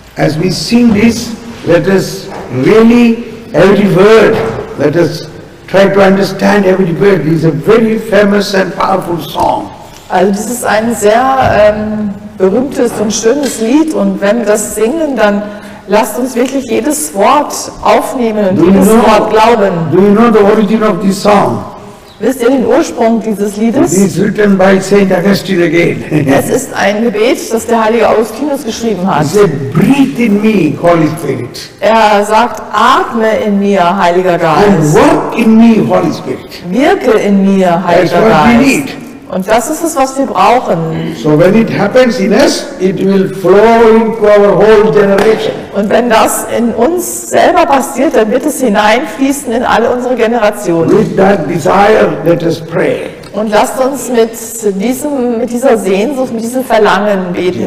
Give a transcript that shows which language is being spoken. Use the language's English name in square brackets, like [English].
[English] As we see this, let us really every word, let us try to understand every word. This is a very famous and powerful song. [German] Also das ist ein sehr berühmtes und schönes Lied, und wenn wir das singen, dann lasst uns wirklich jedes Wort aufnehmen und jedes Wort glauben. [English] Do you know the origin of this song? [German] Wisst ihr den Ursprung dieses Liedes? [English] It is written by Saint Augustine again. [German] Es ist ein Gebet, das der heilige Augustinus geschrieben hat. [English] He said, "Breathe in me, Holy Spirit." [German] Er sagt, atme in mir, Heiliger Geist. [English] And work in me, Holy Spirit. [German] Wirke in mir, Heiliger [English] That's what we need. [German] Und das ist es, was wir brauchen. [English] So when it happens in us, it will flow into our whole generation. [German] Und wenn das in uns selber passiert, dann wird es hineinfließen in alle unsere Generationen. [English] With that desire, let us pray. [German] Und lasst uns mit dieser Sehnsucht, mit diesem Verlangen beten,